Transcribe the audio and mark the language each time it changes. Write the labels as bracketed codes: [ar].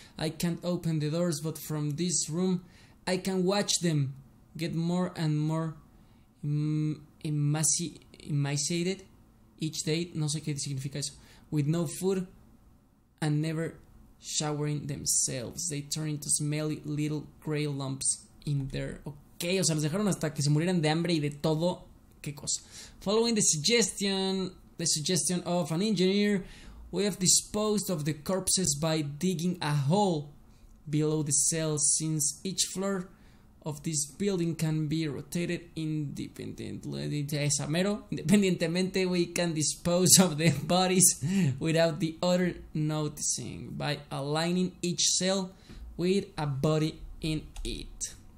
[en] I can't open the doors, but from this room, I can watch them get more and more emaciated each day. [es] No sé qué significa eso. [en] With no food and never showering themselves, they turn into smelly little gray lumps in there. [es] Okay, o sea, los dejaron hasta que se murieran de hambre y de todo. ¿Qué cosa? [en] Following the suggestion. The suggestion of an engineer, we have disposed of the corpses by digging a hole below the cells, since each floor of this building can be rotated independently, we can dispose of the bodies without the other noticing by aligning each cell with a body in it.